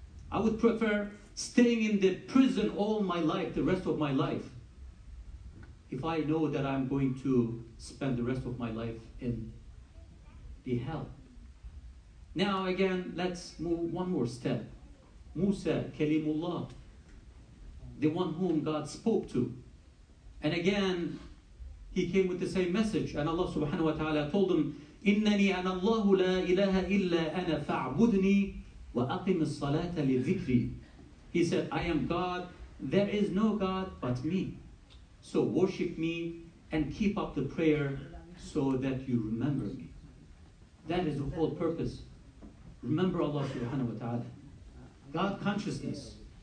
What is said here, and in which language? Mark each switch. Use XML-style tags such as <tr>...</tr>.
<en>I would prefer staying in the prison all my life, the rest of my life, if I know that I'm going to spend the rest of my life in the hell. Now again, let's move one more step. Musa, Kalimullah, the one whom God spoke to. And again, he came with the same message. And Allah subhanahu wa ta'ala told him,</en> <ar>إِنَّنِي أَنَا اللَّهُ لَا إِلَهَ إِلَّا أَنَا فَاعْبُدْنِي وَأَقِمِ الصَّلَاةَ لِذِكْرِي.</ar> <en>He said, I am God, there is no God but me. So worship me and keep up the prayer so that you remember me. That is the whole purpose. Remember Allah subhanahu wa ta'ala. God consciousness.</en>